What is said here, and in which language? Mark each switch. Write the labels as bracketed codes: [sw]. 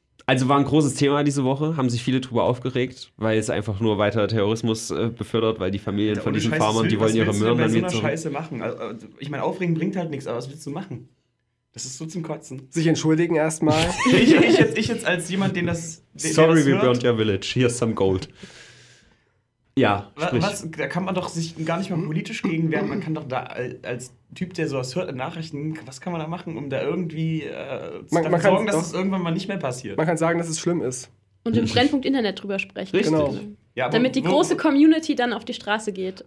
[de] Also war ein großes Thema diese Woche, haben sich viele drüber aufgeregt, weil es einfach nur weiter Terrorismus befördert, weil die Familien von diesen Farmern, die wollen ihre Möhren dann wieder so Scheiße machen. Also, ich meine, aufregen bringt halt nichts, aber was willst du machen? Das ist so zum Kotzen. Sich entschuldigen erstmal. ich jetzt als jemand, den das [en] Sorry, we burned your village, here's some gold. [de] Ja, was, da kann man doch sich gar nicht mal politisch gegen wehren. Man kann doch da als Typ, der sowas hört in Nachrichten, was kann man da machen, um da irgendwie dafür sorgen, dass es irgendwann mal nicht mehr passiert? Man kann sagen, dass es schlimm ist. Und im Brennpunkt Internet drüber sprechen. Richtig. Genau. Ja, damit die große Community dann auf die Straße geht.